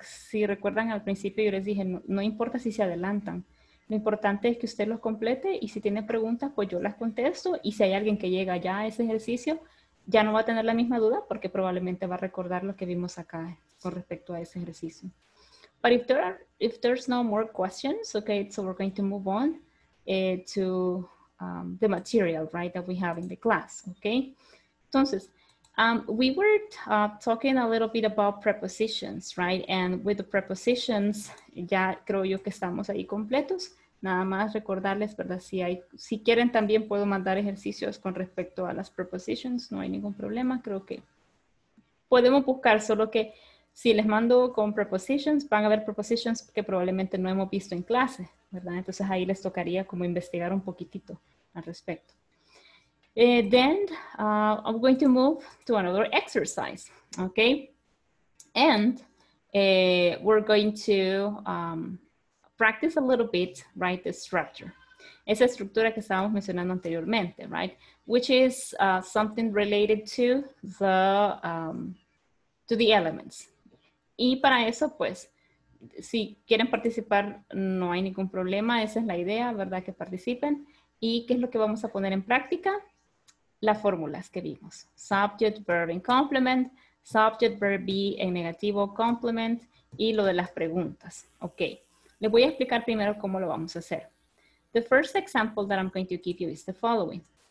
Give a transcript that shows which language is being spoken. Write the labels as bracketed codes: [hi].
[es] Si recuerdan al principio, yo les dije, no importa si se adelantan. Lo importante es que usted los complete y si tiene preguntas, pues yo las contesto. Y si hay alguien que llega ya a ese ejercicio, ya no va a tener la misma duda porque probablemente va a recordar lo que vimos acá con respecto a ese ejercicio. [en] But if there's no more questions, okay, so we're going to move on to the material, right, that we have in the class, okay? [es] Entonces, [en] we were talking a little bit about prepositions, right? And with the prepositions, [es] ya creo yo que estamos ahí completos. Nada más recordarles, ¿verdad? Si quieren, también puedo mandar ejercicios con respecto a las prepositions. No hay ningún problema. Creo que podemos buscar, solo que si les mando con prepositions, van a ver prepositions que probablemente no hemos visto en clase, ¿verdad? Entonces ahí les tocaría como investigar un poquitito al respecto. [en] Then I'm going to move to another exercise, okay? And we're going to practice a little bit, right, the structure. [es] Esa estructura que estábamos mencionando anteriormente, [en] right? Which is something related to the elements. [es] Y para eso, pues, si quieren participar, no hay ningún problema. Esa es la idea, ¿verdad? Que participen. ¿Y qué es lo que vamos a poner en práctica? Las fórmulas que vimos. [en] Subject, verb, and complement. Subject, verb, be, [es] en negativo, complement. Y lo de las preguntas. Ok. Les voy a explicar primero cómo lo vamos a hacer. [en] The first example that I'm going to give you is the following.